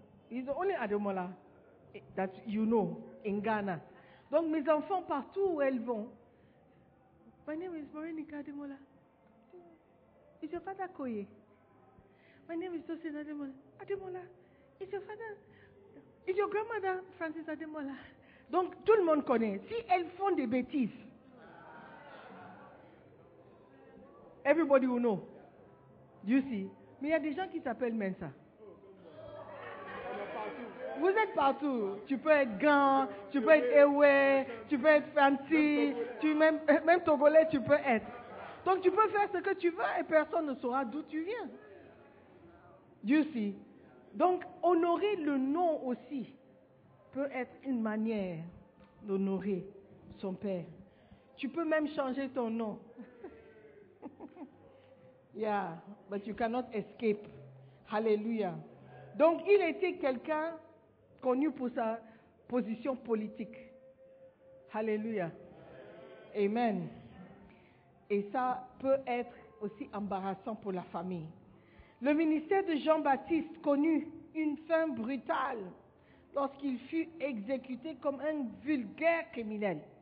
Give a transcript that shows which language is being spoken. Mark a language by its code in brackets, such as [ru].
[en] He's the only Ademola that you know in Ghana. [fr] Donc mes enfants, partout où elles vont, [en] my name is Morenika Ademola. Is your father Koye? My name is Tosin Ademola. Ademola. Is your father? Is your grandmother Francis Ademola? [fr] Donc tout le monde connaît. Si elles font des bêtises, [en] everybody will know. You see? [fr] Mais il y a des gens qui s'appellent Mensa. Vous êtes partout. Tu peux être grand, tu peux être Ewe, tu peux être fancy, même Togolais, tu peux être. Donc tu peux faire ce que tu veux et personne ne saura d'où tu viens. [en] You see? [fr] Donc honorer le nom aussi peut être une manière d'honorer son père. Tu peux même changer ton nom. [en] Yeah, but you cannot escape. Hallelujah. [fr] Donc il était quelqu'un connu pour sa position politique. Hallelujah. Amen. Et ça peut être aussi embarrassant pour la famille. Le ministère de Jean-Baptiste connut une fin brutale lorsqu'il fut exécuté comme un vulgaire criminel.